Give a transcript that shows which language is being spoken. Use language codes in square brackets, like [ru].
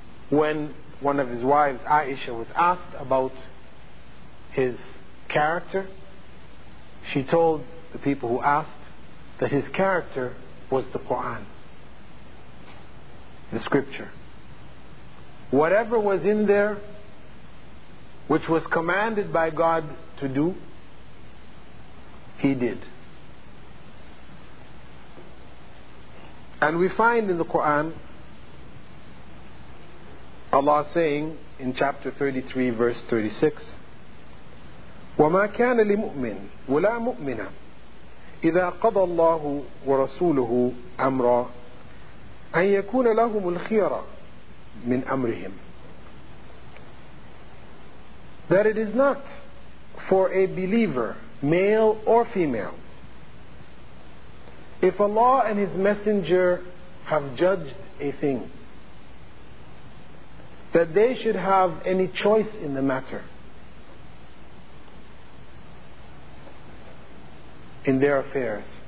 [en] When one of his wives, Aisha, was asked about his character, she told the people who asked that his character was the Quran, the scripture. Whatever was in there which was commanded by God to do, he did. And we find in the Quran Allah saying in chapter 33 verse 36, [ar] وَمَا كَانَ لِمُؤْمِنْ وَلَا مُؤْمِنَ إِذَا قَضَى اللَّهُ وَرَسُولُهُ أَمْرًا أَنْ يَكُونَ لَهُمُ الْخِيَرَةُ مِنْ أَمْرِهِمْ. [en] That it is not for a believer, male or female, if Allah and His Messenger have judged a thing, that they should have any choice in the matter, in their affairs.